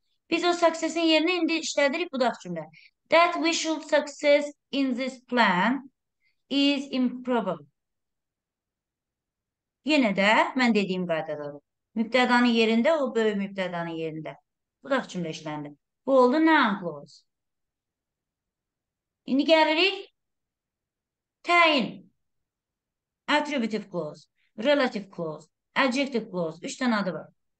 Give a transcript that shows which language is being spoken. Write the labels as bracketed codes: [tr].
[az] Biz o success-in yerini indi işlədirik budaq cümlə. [en] That we should success in this plan is improbable. [az] Yenə də mən dediyim qaydada. Mübtədanın yerində, o böyük mübtədanın yerində. Budaq cümlə işləndi. Bu oldu noun clause. İndi gəlirik. Təyin. Attributive clause. Relative clause. Adjective clause. Üç dənə adı var.